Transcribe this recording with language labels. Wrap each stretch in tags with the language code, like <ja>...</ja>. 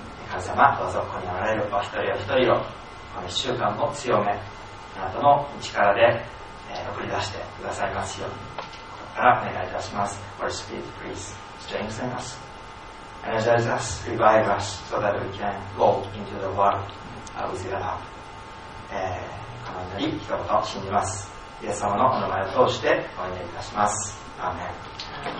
<ja>神様、どうぞここにおられるお一人お一人をこの一週間も強め、あなたの力で、送り出してくださいますように、ここからお願いいたします。</ja> <en>Holy Spirit, please strengthen us, energize us, revive us, so that we can go into the world with your love.</en> <ja>この祈り一言を信じます。イエス様のお名前を通してお祈りいたします。アーメン。</ja>